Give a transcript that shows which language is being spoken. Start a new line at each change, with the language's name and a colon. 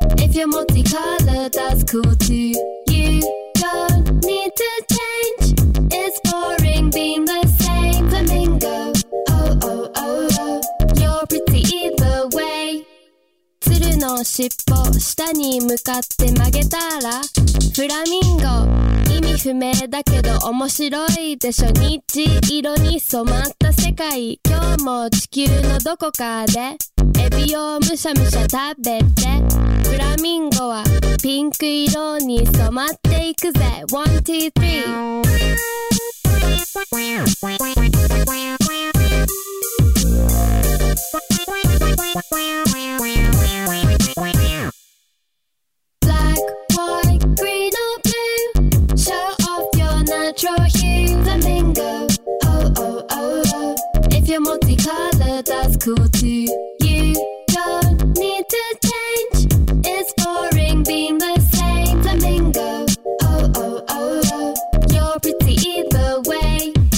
English: If you're multicolored, that's cool too. You don't need to change. It's boring being the same. Flamingo, oh oh oh oh. You're pretty either way.
Japanese: ツルの尻尾下に向かって曲げたらフラミンゴ意味不明だけど面白いでしょ虹色に染まった世界今日も地球のどこかでエビをむしゃむしゃ食べてフラミンゴはピンク色に染まっていくぜ
English: 1, 2, 3 Black, white, green or blueFlamingo, oh oh oh oh. If you're multicolored, that's cool too. You don't need to change. It's boring being the same. Flamingo, oh oh oh oh. You're pretty either way.